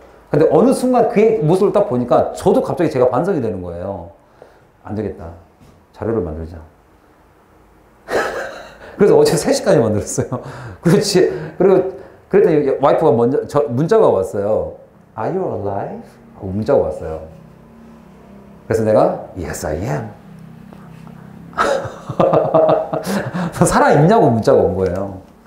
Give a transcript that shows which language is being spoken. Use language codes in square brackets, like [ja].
[ko] 근데 어느 순간 그의 모습을 딱 보니까 저도 갑자기 제가 반성이 되는 거예요. 안 되겠다. 자료를 만들자. 그래서 어제 3시까지 만들었어요. 그렇지. 그랬더니 와이프가 먼저, 문자가 왔어요. [en] Are you alive? [ko] 하고 문자가 왔어요. 그래서 내가 [en] Yes, I am. [ko] 살아있냐고 문자가 온 거예요.